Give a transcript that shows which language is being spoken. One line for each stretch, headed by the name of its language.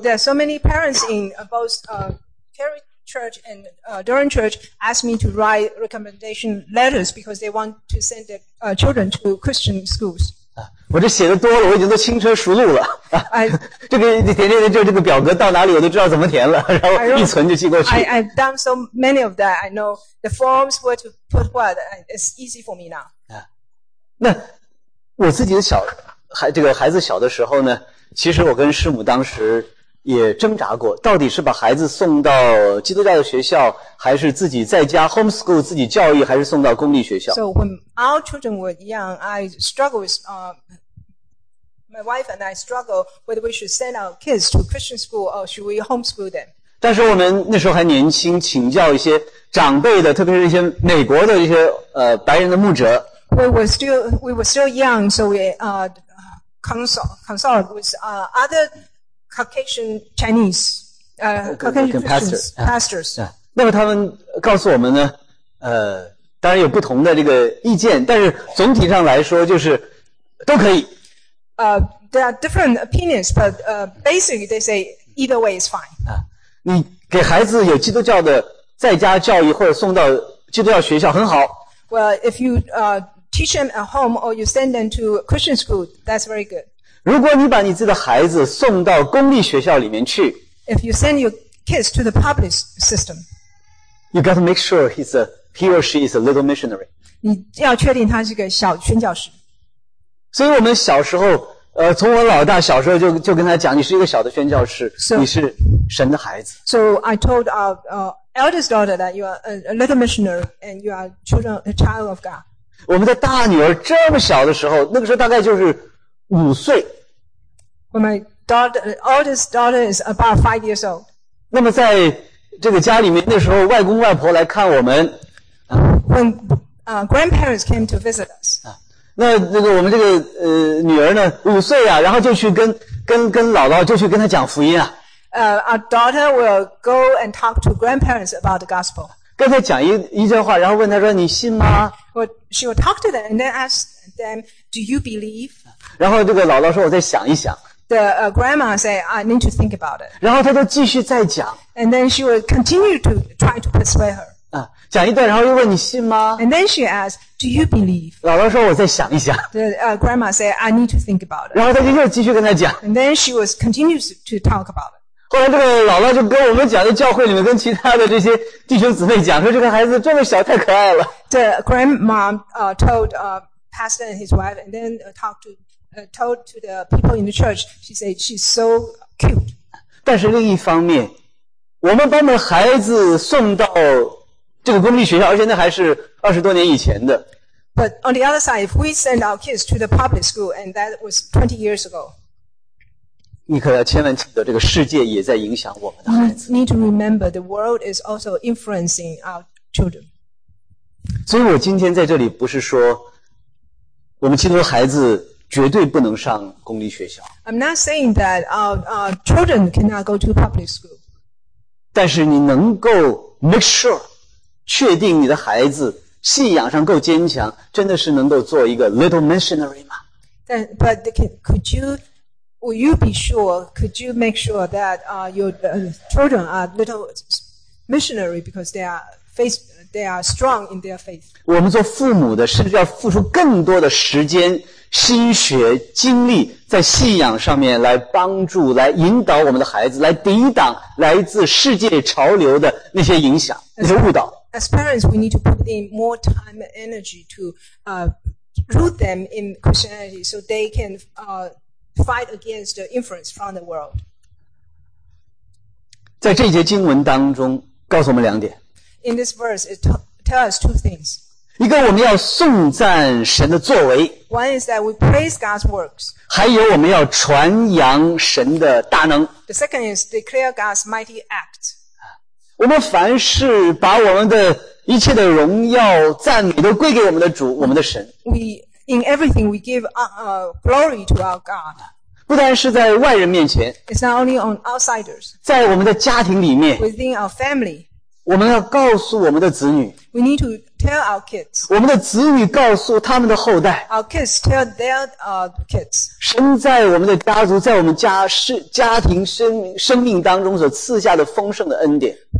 English: There are so many parents in both carry. Church and Durham Church asked me to write recommendation letters because they want to send their children to Christian schools.
Chinese: 我这写的多了，我已经都轻车熟路了。这个填这个表格到哪里我都知道怎么填了，然后一存就寄过去。
English: I've done so many of that. I know the forms where to put what. It's easy for me now.
Chinese: 那我自己的小孩，这个孩子小的时候呢，其实我跟师母当时。也挣扎过，到底是把孩子送到基督教的学校，还是自己在家 homeschool 自己教育，还是送到公立学校
English: ？So when our children were young, I struggled with, my wife and I struggled whether we should send our kids to Christian school or should we homeschool them.
Chinese: 但是我们那时候还年轻，请教一些长辈的，特别是一些美国的一些白人的牧者。
English: We were still young, so we consult with other. Caucasian Chinese, Caucasian pastors.
Chinese: 那么他们告诉我们呢，当然有不同的这个意见，但是总体上来说就是都可以。
English: There are different opinions, but basically they say either way is fine.
Chinese: 你给孩子有基督教的在家教育或者送到基督教学校很好。
English: Well, if you teach them at home or you send them to Christian school, that's very good.
Chinese: 如果你把你自己的孩子送到公立学校里面去
English: ，If you send your kids to the public system, you got to make sure he or she is a little missionary.
Chinese: 你要确定他是个小宣教士。所以我们小时候，从我老大小时候就跟他讲，你是一个小的宣教士，
English: so,
Chinese: 你是神的孩子。
English: So I told our eldest daughter that you are a little missionary and you are children a child of God.
Chinese: 我们的大女儿这么小的时候，那个时候大概就是。五岁
English: ，When my oldest daughter is about 5 years old.
Chinese: 那么在这个家里面，那时候外公外婆来看我们。
English: When grandparents came to visit us.
Chinese: 那个我们这个女儿呢，五岁啊，然后就去跟姥姥就去跟她讲福音啊。
English: Our daughter will go and talk to grandparents about the gospel.
Chinese: 跟她讲一句话，然后问她说：“你信吗？”
English: Well, she will talk to them and then ask them, "Do you believe?"
Chinese: 然后这个姥姥说：“我再想一想。”
English: The grandma said, "I need to think about it."
Chinese: 然后她就继续再讲。
English: And then she will continue to try to persuade her.
Chinese: 讲一段，然后又问你信吗？
English: And then she asked, "Do you believe?"
Chinese: 姥姥说我再想一想。
English: The grandma said, "I need to think about it."
Chinese: 然后她就又继续跟她讲。
English: And then she was continues to talk about it.
Chinese: 后来这个姥姥就跟我们讲，在教会里面跟其他的这些弟兄姊妹讲，说这个孩子这么小太可爱了。
English: The grandma told pastor and his wife, and then told to the people in the church. She said she's so cute.
Chinese: 但是另一方面，我们把我们孩子送到这个公立学校，而且那还是二十多年以前的。
English: But on the other side, if we send our kids to the public school, and that was 20 years ago,
Chinese: 你可要千万记得，这个世界也在影响我们的孩子。
English: You need to remember, the world is also influencing our children.
Chinese: 所以我今天在这里不是说我们基督徒孩子绝对不能上公立学校。
English: I'm not saying that our children cannot go to public school.
Chinese: 但是你能够
English: make sure.
Chinese: 确定你的孩子信仰上够坚强，真的是能够做一个
English: little missionary
Chinese: 吗？
English: But would you be sure? Could you make sure that your children are little missionary because they are strong in their faith?
Chinese: 我们做父母的，甚至要付出更多的时间、心血、精力在信仰上面来帮助、来引导我们的孩子，来抵挡来自世界潮流的那些影响、那些误导。
English: As parents, we need to put in more time and energy to root them in Christianity so they can fight against the influence from the world.
Chinese: 在这节经文当中告诉我们两点。
English: In this verse, it tells us two things.
Chinese: 一个，我们要颂赞神的作为。
English: One is that we praise God's works.
Chinese: 还有，我们要传扬神的大能。
English: The second is declare God's mighty act.
Chinese: 我们凡事把我们的一切的荣耀赞美都归给我们的主，我们的神。
English: In everything we give glory to our God.
Chinese: 不单是在外人面前，
English: It's not only on outsiders.
Chinese: 在我们的家庭里面，
English: Within our family.
Chinese: 我们要告诉我们的子女，
English: We need to tell our kids.
Chinese: 我们的子女告诉他们的后代，
English: Our kids tell their kids.
Chinese: 神在我们的家族，在我们家庭生命当中所赐下的丰盛的恩典。